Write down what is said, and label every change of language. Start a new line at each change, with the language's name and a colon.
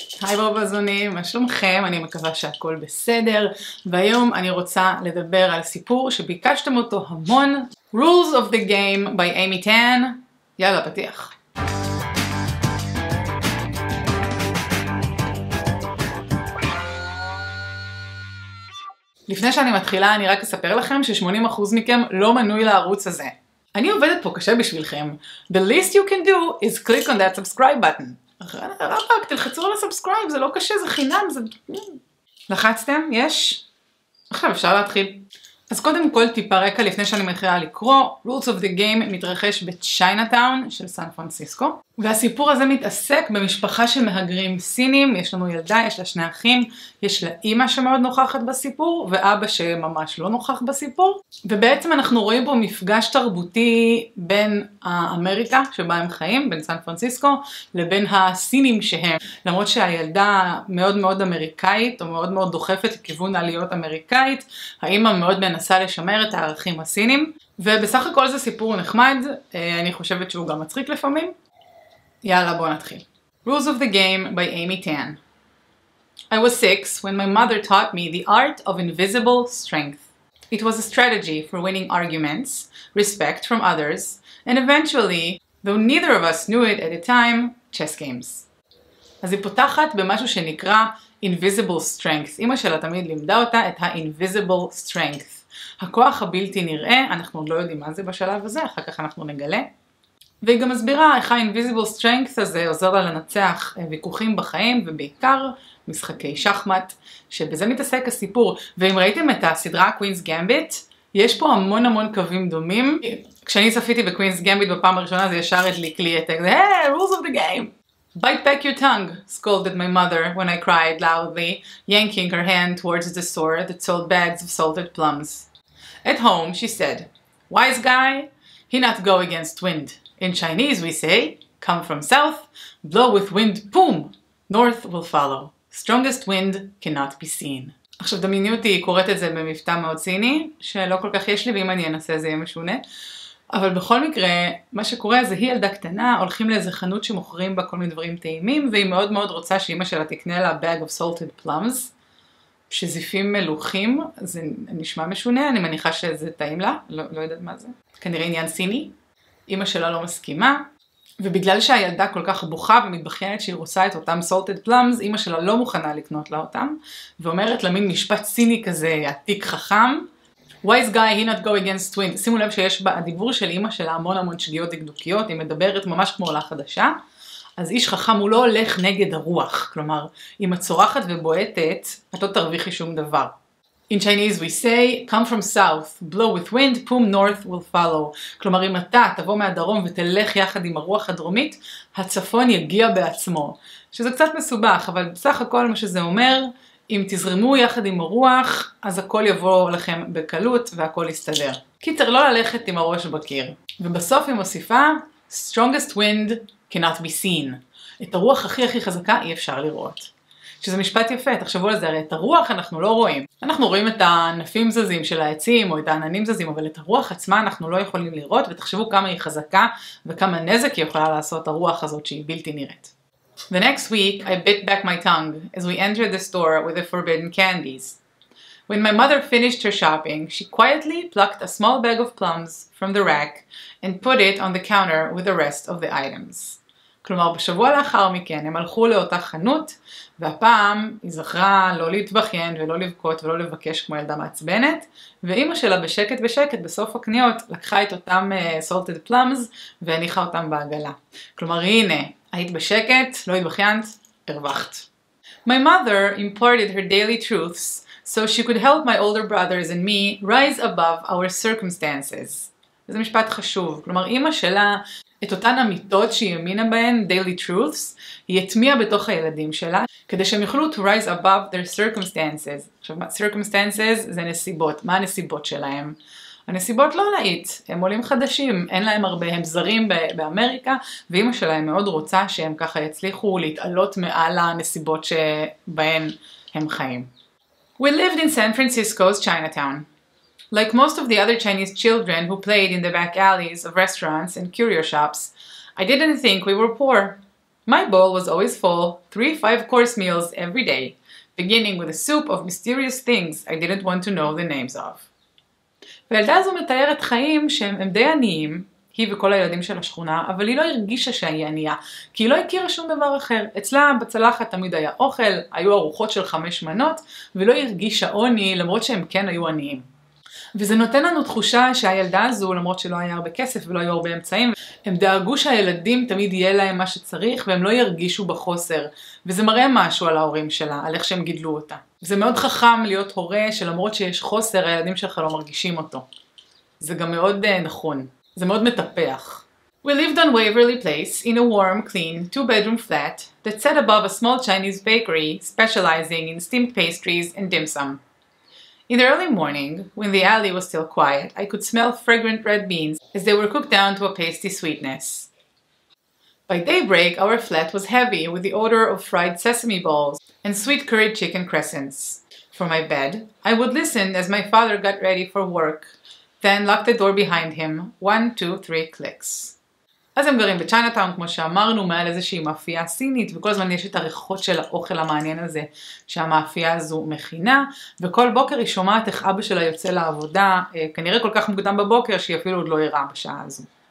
Hebrew: היי רוב הזונים, מה שלומכם? אני מקווה שהכל בסדר. והיום אני רוצה לדבר על סיפור שביקשתם אותו המון.
English: Rules of the Game by Amy Tan.
Hebrew: יאללה, פתיח. לפני שאני מתחילה, אני רק אספר לכם ש-80% מכם לא מנוי לערוץ הזה. אני עובדת פה קשה בשבילכם.
English: The least you can do is click on that subscribe button.
Hebrew: רבק, תלחצו על הסאבסקרייב, זה לא קשה, זה חינם, זה... לחצתם? יש? עכשיו אפשר להתחיל. אז קודם כל טיפה רקע לפני שאני מתחילה לקרוא, Rules of the Game מתרחש בצ'יינאטאון של סן פרנסיסקו, והסיפור הזה מתעסק במשפחה של מהגרים סינים, יש לנו ילדה, יש לה שני אחים, יש לה אימא שמאוד נוכחת בסיפור, ואבא שממש לא נוכח בסיפור, ובעצם אנחנו רואים בו מפגש תרבותי בין האמריקה שבה הם חיים, בין סן פרנסיסקו, לבין הסינים שהם. למרות שהילדה מאוד מאוד אמריקאית, או מאוד מאוד דוחפת לכיוון עליות אמריקאית, האימא מאוד מנסה לשמר את הערכים הסינים, ובסך הכל זה סיפור נחמד, אני חושבת שהוא גם מצחיק לפעמים. יאללה, בוא נתחיל.
English: Rules of the Game by Amy Tan. I was 6 when my mother taught me the art of invisible strength. It was a strategy for winning arguments, respect from others, and eventually, though neither of us knew it at the time, chess games.
Hebrew: אז היא פותחת במשהו שנקרא invisible strength. אמא שלה תמיד לימדה אותה את ה-invisible strength. הכוח הבלתי נראה, אנחנו לא יודעים מה זה בשלב הזה, אחר כך אנחנו נגלה. והיא גם מסבירה איך ה-invisible strength הזה עוזר לה לנצח ויכוחים בחיים, ובעיקר משחקי שחמט, שבזה מתעסק הסיפור. ואם ראיתם את הסדרה Queen's Gambit, יש פה המון המון קווים דומים. כשאני צפיתי ב-Queen's Gambit בפעם הראשונה, זה ישר הדליק לי את זה,
English: hey, rules of the game! Bite back your tongue, scolded my mother when I cried loudly, yanking her hand towards the store that sold bags of salted plums. At home, she said, wise guy, he not go against wind. In Chinese we say, come from south, blow with wind, boom, north will follow. Strongest wind cannot be seen.
Hebrew: עכשיו דמיינו אותי קוראת את זה במבטא מאוד סיני, שלא כל כך יש לי, ואם אני אנסה זה יהיה משונה. אבל בכל מקרה, מה שקורה זה היא ילדה קטנה, הולכים לאיזה חנות שמוכרים בה כל מיני דברים טעימים, והיא מאוד מאוד רוצה שאמא שלה תקנה לה
English: bag of salted plums,
Hebrew: שזיפים מלוכים, זה נשמע משונה, אני מניחה שזה טעים לה, לא יודעת מה זה. כנראה עניין סיני. אמא שלה לא מסכימה, ובגלל שהילדה כל כך בוכה ומתבחינת שהיא רוצה את אותם salted plums, אמא שלה לא מוכנה לקנות לה אותם, ואומרת למין משפט סיני כזה, עתיק חכם,
English: wise guy, he not go against wind.
Hebrew: שימו לב שיש בדיבור של אמא שלה המון המון שגיאות דקדוקיות, היא מדברת ממש כמו עולה חדשה, אז איש חכם הוא לא הולך נגד הרוח, כלומר, אם את צורחת ובועטת, את לא תרוויחי שום דבר.
English: In Chinese we say, come from south, blow with wind, boom north will follow.
Hebrew: כלומר, אם אתה תבוא מהדרום ותלך יחד עם הרוח הדרומית, הצפון יגיע בעצמו. שזה קצת מסובך, אבל בסך הכל מה שזה אומר, אם תזרמו יחד עם הרוח, אז הכל יבוא לכם בקלות והכל יסתדר. קיצר, לא ללכת עם הראש בקיר. ובסוף היא מוסיפה,
English: strongest wind cannot be seen.
Hebrew: את הרוח הכי הכי חזקה אי אפשר לראות. שזה משפט יפה, תחשבו על זה, הרי את הרוח אנחנו לא רואים. אנחנו רואים את הענפים זזים של העצים, או את העננים זזים, אבל את הרוח עצמה אנחנו לא יכולים לראות, ותחשבו כמה היא חזקה, וכמה נזק היא יכולה לעשות הרוח הזאת שהיא בלתי נראית.
English: The next week, I bit back my tongue, as we entered the store with the forbidden candies. When my mother finished her shopping, she quietly plucked a small bag of plums from the rack, and put it on the counter with the rest of the items.
Hebrew: כלומר, בשבוע לאחר מכן הם הלכו לאותה חנות, והפעם היא זכרה לא להתבחין ולא לבכות ולא לבקש כמו ילדה מעצבנת, ואימא שלה בשקט בשקט בסוף הקניות לקחה את אותם salted plums והניחה אותם בעגלה. כלומר, הנה, היית בשקט, לא התבחינת, הרווחת.
English: My mother imparted her daily truths so she could help my older brothers and me rise above our circumstances.
Hebrew: זה משפט חשוב, כלומר, אימא שלה... את אותן אמיתות שהיא האמינה בהן, daily truths, היא התמיעה בתוך הילדים שלה, כדי שהם יוכלו
English: to rise above their circumstances.
Hebrew: עכשיו, circumstances זה נסיבות. מה הנסיבות שלהם? הנסיבות לא להיט. הם עולים חדשים, אין להם הרבה, הם זרים באמריקה, ואמא שלהם מאוד רוצה שהם ככה יצליחו להתעלות מעל הנסיבות שבהן הם חיים.
English: We lived in San Francisco's Chinatown. Like most of the other Chinese children who played in the back alleys of restaurants and curio shops, I didn't think we were poor. My bowl was always full, 3-5 course meals every day, beginning with a soup of mysterious things I didn't want to know the names of.
Hebrew: והילדה הזו מתארת חיים שהם די עניים, היא וכל הילדים של השכונה, אבל היא לא הרגישה שהיא ענייה, כי היא לא הכירה שום דבר אחר. אצלה בצלחת תמיד היה אוכל, היו ארוחות של 5 מנות, ולא הרגישה עוני למרות שהם כן היו עניים. וזה נותן לנו תחושה שהילדה הזו, למרות שלא היה הרבה כסף ולא היו הרבה אמצעים, הם דאגו שהילדים תמיד יהיה להם מה שצריך והם לא ירגישו בחוסר. וזה מראה משהו על ההורים שלה, על איך שהם גידלו אותה. זה מאוד חכם להיות הורה שלמרות שיש חוסר, הילדים שלך לא מרגישים אותו. זה גם מאוד נכון. זה מאוד מטפח.
English: We lived on Waverly Place in a warm, clean, two-bedroom flat that sat above a small Chinese bakery specializing in steamed pastries and dim sum. In the early morning, when the alley was still quiet, I could smell fragrant red beans as they were cooked down to a pasty sweetness. By daybreak, our flat was heavy with the odor of fried sesame balls and sweet curried chicken crescents. From my bed, I would listen as my father got ready for work, then locked the door behind him, 1, 2, 3 clicks.
Hebrew: אז הם גרים בצ'יינאטאון, כמו שאמרנו, מעל איזושהי מאפייה סינית, וכל הזמן יש את הריחות של האוכל המעניין הזה שהמאפייה הזו מכינה, וכל בוקר היא שומעת איך אבא שלה יוצא לעבודה, כנראה כל כך מוקדם בבוקר שהיא אפילו עוד לא עירה בשעה הזו.